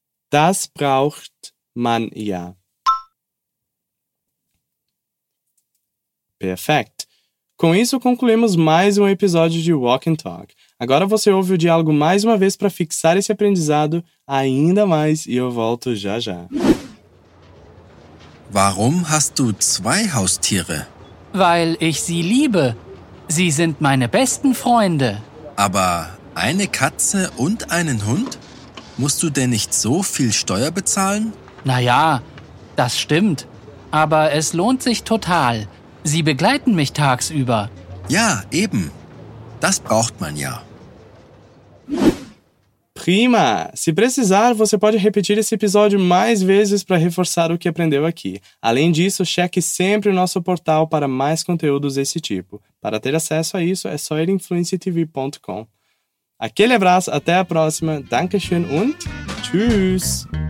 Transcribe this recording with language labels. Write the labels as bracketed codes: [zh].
[de] Das braucht man ja. [en] Perfect. [pt] Com isso, concluímos mais um episódio de Walk and Talk. Agora você ouve o diálogo mais uma vez para fixar esse aprendizado ainda mais e eu volto já já. [de] Warum hast du zwei Haustiere? Weil ich sie liebe. Sie sind meine besten Freunde. Aber eine Katze und einen Hund? Musst du denn nicht so viel Steuer bezahlen? Naja, das stimmt. Aber es lohnt sich total. Sie begleiten mich tagsüber. Ja, eben. Das braucht man ja. Prima! [pt] Se precisar, você pode repetir esse episódio mais vezes para reforçar o que aprendeu aqui. Além disso, cheque sempre o nosso portal para mais conteúdos desse tipo. Para ter acesso a isso, é só ir em fluencytv.com. Aquele abraço, até a próxima. [de] Dankeschön und tschüss!